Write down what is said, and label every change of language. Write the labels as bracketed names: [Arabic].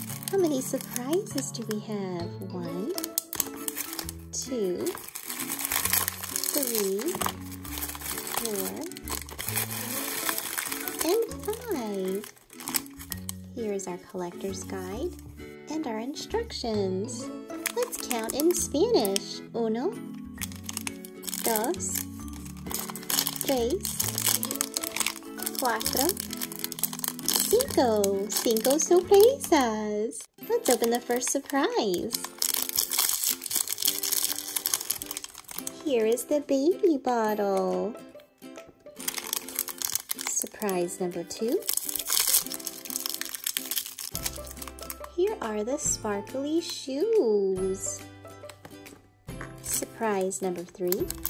[English] How many surprises do we have? One, two, three, four, and five. Here is our collector's guide and our instructions. Let's count in Spanish. [Spanish] Uno, dos, tres, cuatro, cinco, cinco sorpresas. [English] Let's open the first surprise. Here is the baby bottle. Surprise number two. Here are the sparkly shoes. Surprise number three.